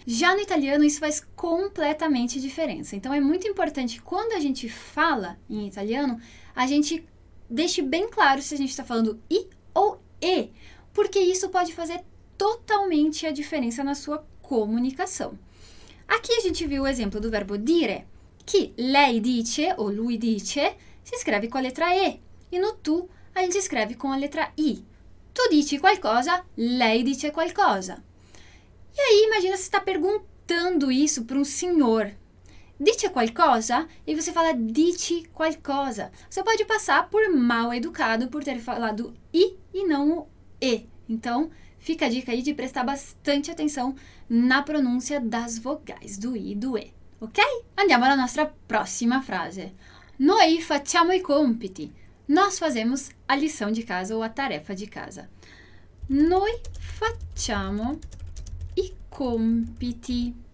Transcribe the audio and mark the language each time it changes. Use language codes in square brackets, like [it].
[pt] Já no italiano, isso faz completamente diferença. Então, é muito importante quando a gente fala em italiano, a gente deixe bem claro se a gente está falando i ou e, porque isso pode fazer totalmente a diferença na sua comunicação. Aqui a gente viu o exemplo do verbo dire, que [it] lei dice [pt] ou [it] lui dice [pt] se escreve com a letra e, e no [it] tu [pt] a gente escreve com a letra i. [it] Tu dici qualcosa, lei dice qualcosa. [pt] E aí imagina se está perguntando isso para um senhor. [it] Dice qualcosa? [pt] E você fala [it] dici qualcosa. [pt] Você pode passar por mal educado por ter falado i e não o e. Então, fica a dica aí de prestar bastante atenção na pronúncia das vogais do i e do e, ok? [it] Andiamo alla nostra prossima frase. Noi facciamo i compiti. [pt] Nós fazemos a lição de casa ou a tarefa de casa. [it] Noi facciamo i compiti.